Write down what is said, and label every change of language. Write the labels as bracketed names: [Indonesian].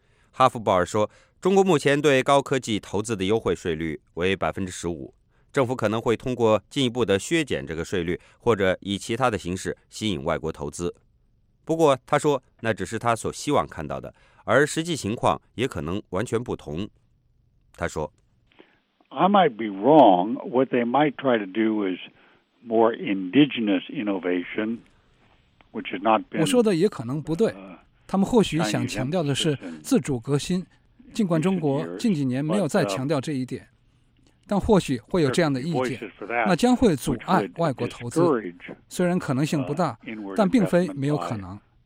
[Chinese] 哈夫鲍尔说，中国目前对高科技投资的优惠税率为15%。政府可能会通过进一步的削减这个税率，或者以其他的形式吸引外国投资。不过他说那只是他所希望看到的，而实际情况也可能完全不同。他说 [English] I might be wrong. What they might try to do is more indigenous innovation, which has not been. [Chinese] 我说的也可能不对，他们或许想强调的是自主革新，尽管中国近几年没有再强调这一点，但或许会有这样的意见，那将会阻碍外国投资，虽然可能性不大，但并非没有可能。